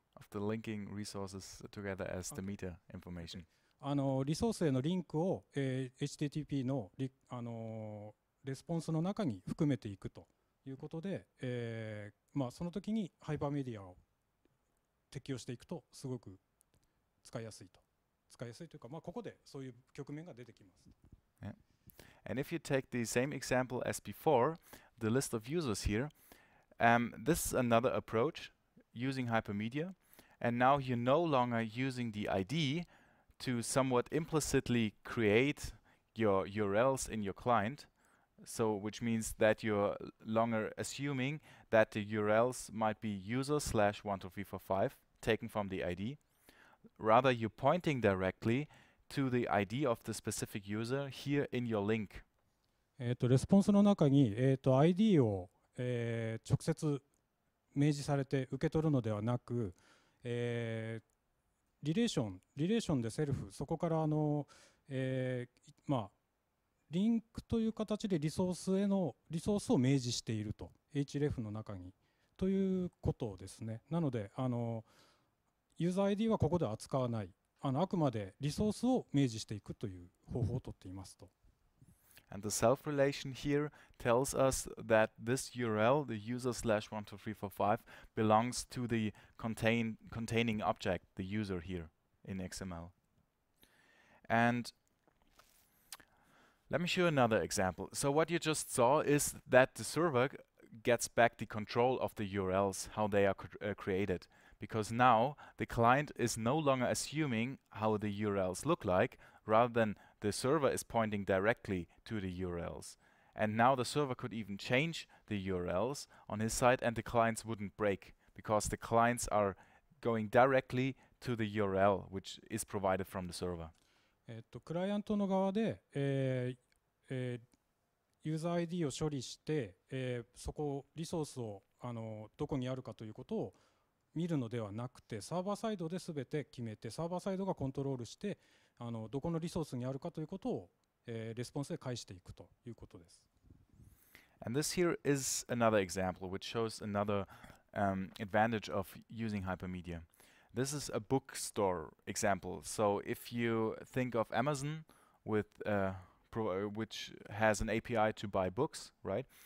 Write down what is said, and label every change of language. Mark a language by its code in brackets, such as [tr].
[en] The linking resources together as the meter information. [ja] あのリソースへのリンクを、HTTP のリ、レスポンスの中に含めていくということで、まあ、その時にハイパーメディアを適用していくとすごく使いやすいと。使いやすいというか、まあ、ここでそういう局面が出てきます。 [en] Yeah. And if you take the same example as before, the list of users here,、this is another approach using Hypermedia. And now you're no longer using the ID to somewhat implicitly create your URLs in your client. So, which means that you're longer assuming that the URLs might be user/12345 taken from the ID. Rather, you're pointing directly to the ID of the specific user here in your link. [ja] レスポンスの中に、ID を、直接明示されて受け取るのではなく、リレーションでセルフ、そこからあの、まあ、リンクという形でリソースへのリソースを明示していると、href の中にということですね。なので、あのユーザー ID はここでは扱わない、あの、あくまでリソースを明示していくという方法をとっていますと。 [en] And the self relation here tells us that this URL, the user/12345, belongs to the containing object, the user here in XML. And let me show another example. So what you just saw is that the server gets back the control of the URLs, how they are created. Because now the client is no longer assuming how the URLs look like, rather than the server is pointing directly to the URLs. And now the server could even change the URLs on his side and the clients wouldn't break because the clients are going directly to the URL which is provided from the server. [ja] クライアントの側で、ユーザー ID を処理して、そこリソースをあのどこにあるかということを見るのではなくて、サーバーサイドで全て決めて、サーバーサイドがコントロールして、あのどこのリソースにあるかということを、レスポンスで返していくということです。 [en] And this here is another example which shows another advantage of using Hypermedia. This is a bookstore example. So if you think of Amazon with, which has an API to buy books, right?